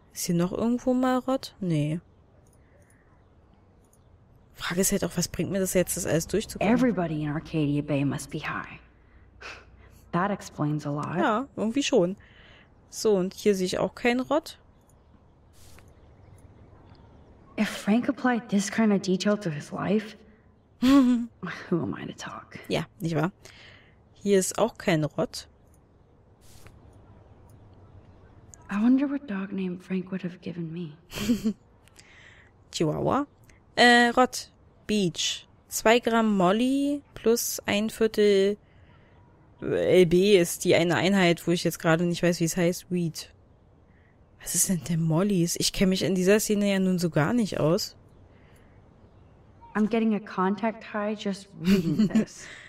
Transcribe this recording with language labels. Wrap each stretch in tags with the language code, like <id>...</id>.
<de>Ist hier noch irgendwo mal Rott? Nee. Frage ist halt auch, was bringt mir das jetzt, das alles durchzukommen?</de> <en>Everybody in Arcadia Bay must be high. That explains a lot.</en> <de>Ja, irgendwie schon. So, und hier sehe ich auch keinen Rott.</de> <en>If Frank applied this kind of detail to his life, who am I to talk?</en> <de>Ja, nicht wahr? Hier ist auch kein Rott.</de> <en>I wonder what dog name Frank would have given me.</en> <de>Chihuahua. Rott. Beach. 2 Gramm Molly plus 1/4... LB ist die eine Einheit, wo ich jetzt gerade nicht weiß, wie es heißt. Weed. Was ist denn der Mollys? Ich kenne mich in dieser Szene ja nun so gar nicht aus.</de> <en>I'm getting a contact high just reading this.</en>